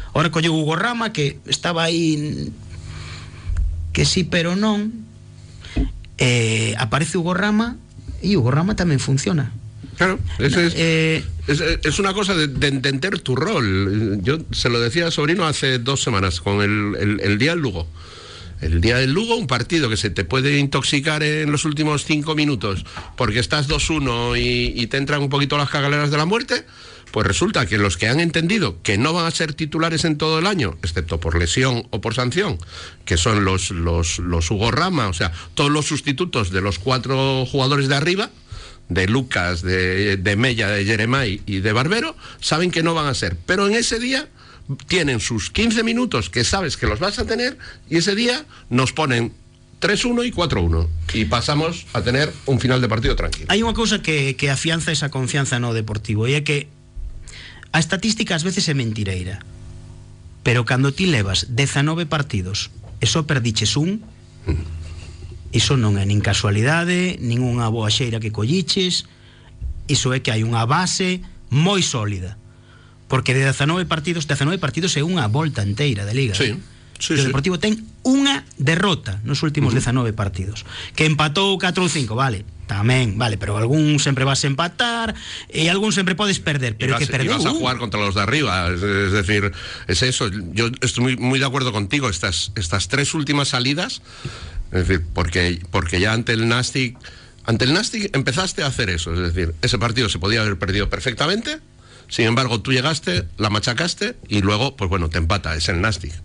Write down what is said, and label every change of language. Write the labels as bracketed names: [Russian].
[Galician] Ahora colleu Hugo Rama, que estaba aí, que sí, pero non. Aparece Hugo Rama e Hugo Rama tamén funciona. [Spanish] Claro, es una cosa de entender tu rol. Yo se lo decía a Sobrino hace dos semanas, con el día del Lugo. El día del Lugo, un partido que se te puede intoxicar en los últimos cinco minutos porque estás 2-1 y te entran un poquito las cagaleras de la muerte. Pues resulta que los que han entendido que no van a ser titulares en todo el año, excepto por lesión o por sanción, que son los Hugo Rama, o sea, todos los sustitutos de los cuatro jugadores de arriba, de Lucas, de Mella, de Jeremai y de Barbero, saben que no van a ser. Pero en ese día tienen sus 15 minutos que sabes que los vas a tener, y ese día nos ponen 3-1 y 4-1. Y pasamos a tener un final de partido tranquilo. Hay una cosa que afianza esa confianza [Galician] no Deportivo, y es que a estatística ás veces é mentireira, pero cando ti levas 19 partidos e só perdiches un, iso non é nin casualidade, nin unha boa xeira que colliches, iso é que hai unha base moi sólida. Porque de 19 partidos é unha volta enteira de liga. Sí, sí, o Deportivo ten unha derrota nos últimos 19 partidos. Que empatou 4-5, vale, tamén, vale, pero algún sempre vas a empatar e algún sempre podes perder, pero que perdeu. [Spanish] Vas a jugar contra los de arriba, es decir, es eso. Yo estoy muy, muy de acuerdo contigo. Estas tres últimas salidas, es decir, porque ya ante el Nastic empezaste a hacer eso, es decir, ese partido se podía haber perdido perfectamente. Sin embargo, tú llegaste, la machacaste y luego, pues bueno, te empata, es el Nastic.